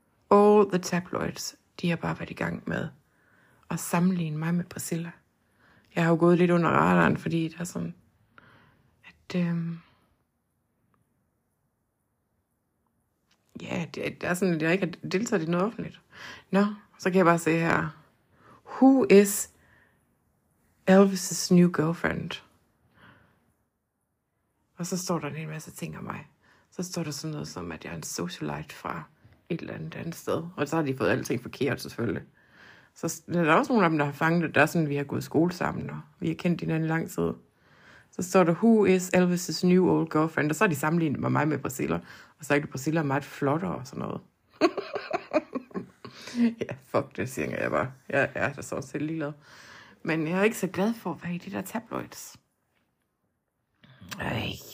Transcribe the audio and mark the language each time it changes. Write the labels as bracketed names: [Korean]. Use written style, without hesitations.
[English] All the tabloids, [Danish] de har bare været i gang med at sammenligne mig med Priscilla. Jeg har jo gået lidt under radaren, fordi det er sådan, at ja, det er sådan, at jeg ikke har deltaget i noget offentligt. Nå, så kan jeg bare se her. [English] Who is Elvis' new girlfriend? [Danish] Og så står der en hel masse ting om mig. Så står der sådan noget som, at jeg er en socialite fra et eller andet sted. Og så har de fået alting forkert, selvfølgelig. Så der er også nogle af dem, der har fanget det. Der er sådan, at vi har gået i skole sammen, og vi har kendt hinanden i lang tid. Så står der, [English] who is Elvis' new old girlfriend? [Danish] Og så har de sammenlignet med mig med Priscilla. Og så er det, Priscilla er meget flottere og sådan noget. Ja, fuck det, siger jeg bare. Jeg er da sådan set ligeglad. Men jeg er ikke så glad for at være i de der tabloids. Ej.